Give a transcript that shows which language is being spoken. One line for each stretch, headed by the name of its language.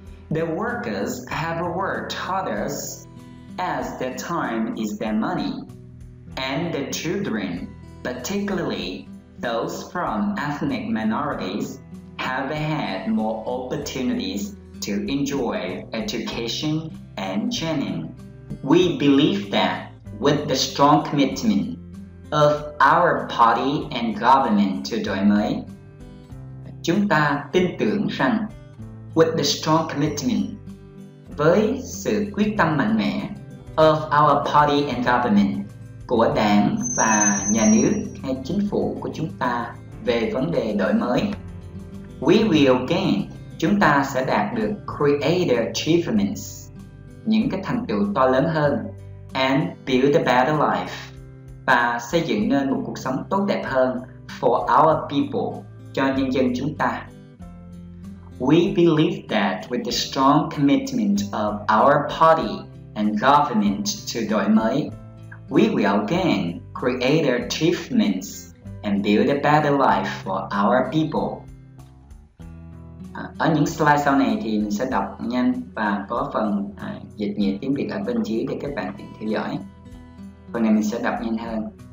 English: The workers have worked harder as their time is their money. And the children, particularly those from ethnic minorities, have had more opportunities to enjoy education and training. We believe that with the strong commitment of our party and government to đổi mới,
Vietnamese: chúng ta tin tưởng rằng
English: with the strong commitment,
Vietnamese: với sự quyết tâm mạnh mẽ
English: of our party and government,
Vietnamese: của đảng và nhà nước hay chính phủ của chúng ta về vấn đề đổi mới,
English: we will gain,
Vietnamese: chúng ta sẽ đạt được
English: greater achievements,
Vietnamese: những cái thành tựu to lớn hơn,
English: and build a better life,
Vietnamese: và xây dựng nên một cuộc sống tốt đẹp hơn
English: for our people,
Vietnamese: cho nhân dân chúng ta.
English: We believe that with the strong commitment of our party and government to đổi mới, we will gain greater achievements and build a better life for our people.
Vietnamese: Ở những slide sau này thì mình sẽ đọc nhanh và có phần dịch nghĩa tiếng Việt ở bên dưới để các bạn tiện theo dõi. Phần này mình sẽ đọc nhanh hơn.